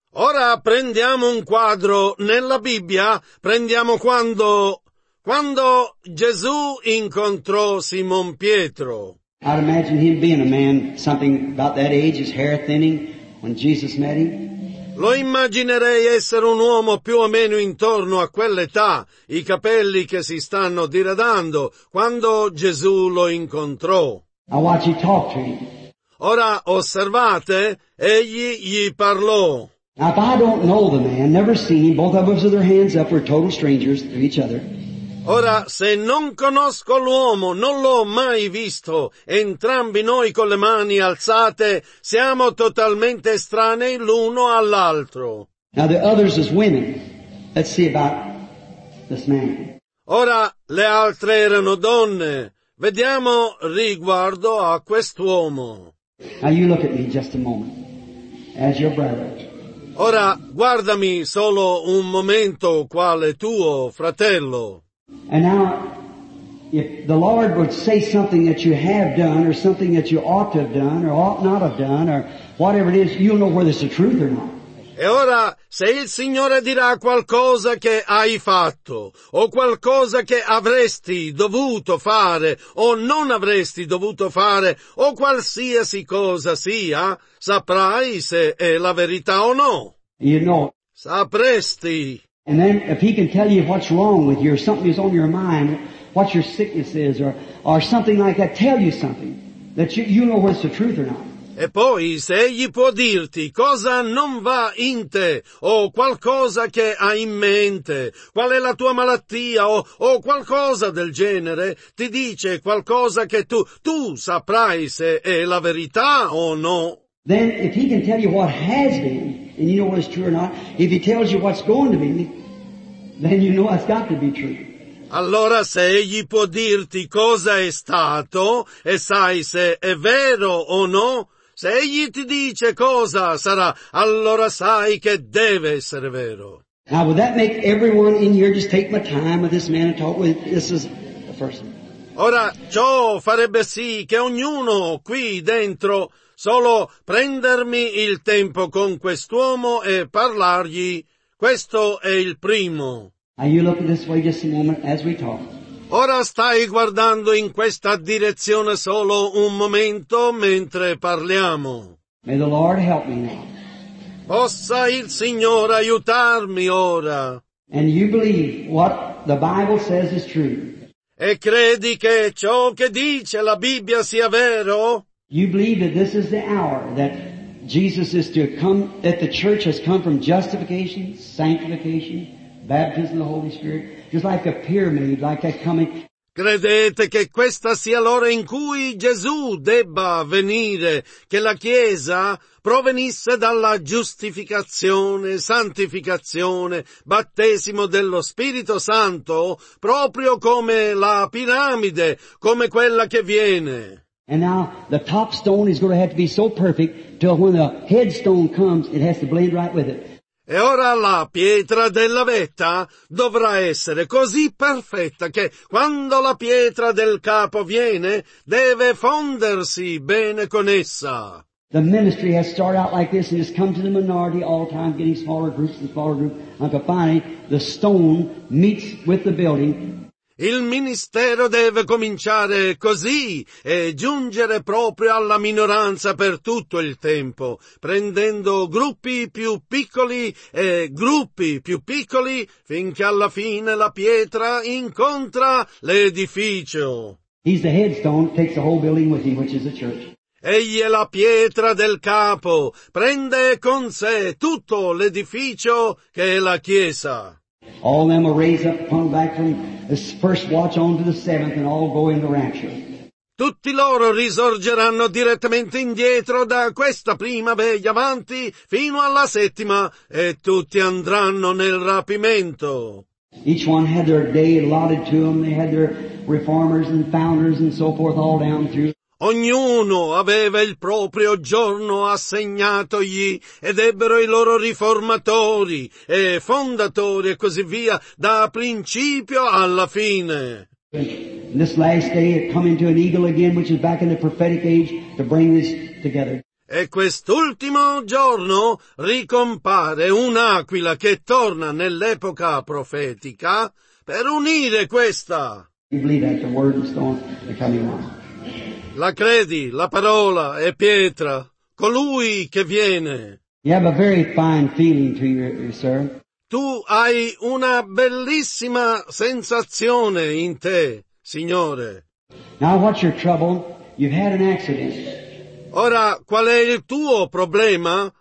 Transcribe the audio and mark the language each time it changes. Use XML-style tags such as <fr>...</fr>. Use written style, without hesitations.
<it>Ora prendiamo un quadro nella Bibbia. Prendiamo quando Gesù incontrò Simon Pietro.</it> <en>I'd imagine him being a man something about that age, his hair thinning, when Jesus met him.</en> <it>Lo immaginerei essere un uomo più o meno intorno a quell'età, i capelli che si stanno diradando, quando Gesù lo incontrò.</it> <en>I watch you talk to him.</en> <it>Ora osservate, egli gli parlò.</it> <en>Now if I don't know the man, never seen him, both of us with our hands up, we're total strangers to each other.</en> <it>Ora, se non conosco l'uomo, non l'ho mai visto, entrambi noi con le mani alzate, siamo totalmente estranei l'uno all'altro.</it> <en>Now the others is women. Let's see about this man.</en> <it>Ora, le altre erano donne. Vediamo riguardo a quest'uomo.</it> <en>Now you look at me just a moment, as your brother.</en> <it>Ora, guardami solo un momento, quale tuo fratello.</it> <en>And now, if the Lord would say something that you have done, or something that you ought to have done, or ought not have done, or whatever it is, you'll know whether it's the truth or not.</en> <it>E ora, se il Signore dirà qualcosa che hai fatto, o qualcosa che avresti dovuto fare, o non avresti dovuto fare, o qualsiasi cosa sia, saprai se è la verità o no.</it> <en>You know.</en> <it>Sapresti.</it> <en>And then if he can tell you what's wrong with you, or something is on your mind, what your sickness is, or something like that, tell you something, that you know what's the truth or not.</en> <it>E poi, se egli può dirti cosa non va in te, o qualcosa che hai in mente, qual è la tua malattia, o qualcosa del genere, ti dice qualcosa che tu saprai se è la verità o no.</it> <en>Then if he can tell you what has been, and you know what is true or not, if he tells you what's going to be, then you know it's got to be true.</en> <it>Allora se egli può dirti cosa è stato, e sai se è vero o no, se egli ti dice cosa sarà, allora sai che deve essere vero.</it> <en>Now would that make everyone in here just take my time with this man and talk with, this is the first one.</en> <it>Ora ciò farebbe sì che ognuno qui dentro solo prendermi il tempo con quest'uomo e parlargli, questo è il primo.</it> <en>Are you looking this way just a moment as we talk?</en> <it>Ora stai guardando in questa direzione solo un momento mentre parliamo.</it> <en>May the Lord help me now.</en> <it>Possa il Signore aiutarmi ora.</it> <en>And you believe what the Bible says is true.</en> <it>E credi che ciò che dice la Bibbia sia vero?</it> <en>You believe that this is the hour that Jesus is to come, that the church has come from justification, sanctification, baptism of the Holy Spirit, just like a pyramid, like that coming.</en> <it>Credete che questa sia l'ora in cui Gesù debba venire, che la Chiesa provenisse dalla giustificazione, santificazione, battesimo dello Spirito Santo, proprio come la piramide, come quella che viene.</it> <en>And now the top stone is going to have to be so perfect till when the headstone comes it has to blend right with it.</en> <it>E ora la pietra della vetta dovrà essere così perfetta che quando la pietra del capo viene deve fondersi bene con essa.</it> <en>The ministry has started out like this and has come to the minority all the time, getting smaller groups and smaller groups, until finally the stone meets with the building.</en> <it>Il ministero deve cominciare così e giungere proprio alla minoranza per tutto il tempo, prendendo gruppi più piccoli e gruppi più piccoli finché alla fine la pietra incontra l'edificio.</it> <en>He's the headstone, takes the whole building with him, which is the church.</en> <it>Egli è la pietra del capo, prende con sé tutto l'edificio che è la chiesa.</it> <en>All them will raise up, come back from this first watch on to the seventh, and all go in the rapture.</en> <it>Tutti loro risorgeranno direttamente indietro da questa prima veglia avanti fino alla settima, e tutti andranno nel rapimento.</it> <en>Each one had their day allotted to them. They had their reformers and founders and so forth all down through.</en> <it>Ognuno aveva il proprio giorno assegnatogli ed ebbero i loro riformatori e fondatori e così via da principio alla fine.</it> <en>And this last day it come into an eagle again, which is back in the prophetic age, to bring this together.</en> <it>E quest'ultimo giorno ricompare un'aquila che torna nell'epoca profetica per unire questa.</it> <en>You believe that, the word and stone, the coming one.</en> <it>La credi, la parola è pietra, colui che viene.</it> <en>You have a very fine feeling to you, sir.</en> <it>Tu hai una bellissima sensazione in te, Signore.</it> <en>Now what's your trouble? You've had an accident.</en> <it>Ora, qual è il tuo problema?</it>